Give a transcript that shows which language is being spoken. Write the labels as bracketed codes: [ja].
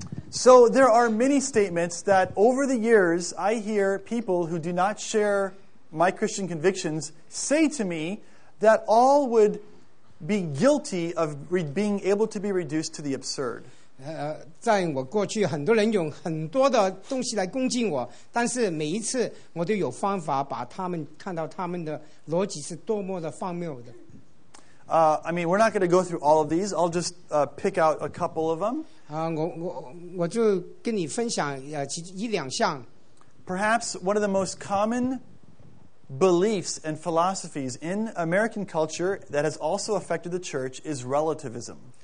[en] So there are many statements that over the years I hear people who do not share my Christian convictions say to me that all would be guilty of being able to be reduced to the absurd. [zh] 在我过去，很多人用很多的东西来攻击我，但是每一次我都有方法把他们看到他们的逻辑是多么的荒谬的。 [en] I mean, we're not going to go through all of these. I'll just pick out a couple of them. [zh] 我就跟你分享一两项。 [en] Perhaps one of the most common beliefs and philosophies in American culture that has also affected the church is relativism.